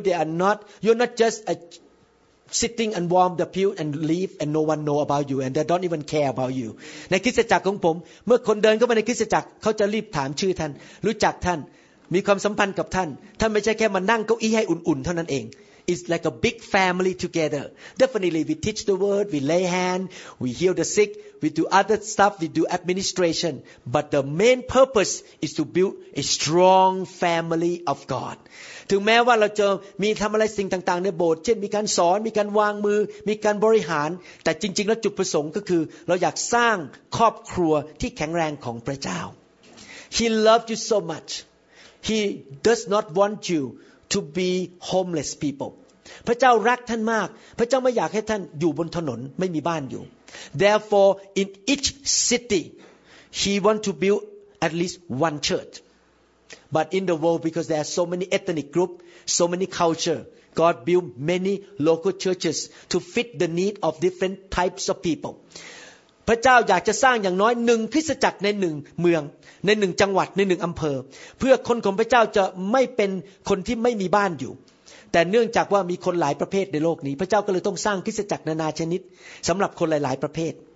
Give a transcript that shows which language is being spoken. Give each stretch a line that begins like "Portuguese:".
English: They are not, you're not just a sitting and warm the pew and leave and no one know about you and they don't even care about you.
Thai: ในคริสตจักรของผมเมื่อคนเดินเข้ามาในคริสตจักรเขาจะรีบถามชื่อท่านรู้จักท่านมีความสัมพันธ์กับท่านท่านไม่ใช่แค่มานั่งเก้าอี้ให้อุ่นๆเท่านั้นเอง
English: It's like a big family together. Definitely we teach the word, we lay hand, we heal the sick, we do other stuff, we do administration. But the main purpose is to build a strong family of God.
Thai: ถึงแม้ว่าเราจะมีทำอะไรสิ่งต่างๆในโบสถ์เช่นมีการสอนมีการวางมือมีการบริหารแต่จริงๆแล้วจุดประสงค์ก็คือเราอยากสร้างครอบครัวที่แข็งแรงของพระเจ้า
English: He loves you so muchHe does not want you to be homeless people.
Thai: พระเจ้ารักท่านมากพระเจ้าไม่อยากให้ท่านอยู่บนถนนไม่มีบ้านอยู่
English: Therefore, in each city, he want to build at least one church. But in the world, because there are so many ethnic group, so many culture, God build many local churches to fit the need of different types of people.
Thai: พระเจ้าอยากจะสร้างอย่างน้อยหนึ่งคริสตจักรในหนึ่งเมืองในหนึ่งจังหวัดในหนึ่งอำเภอเพื่อคนของพระเจ้าจะไม่เป็นคนที่ไม่มีบ้านอยู่แต่เนื่องจากว่ามีคนหลายประเภทในโลกนี้พระเจ้าก็เลยต้องสร้างคริสตจักรนานาชนิดสำหรับคนหลายๆประเภท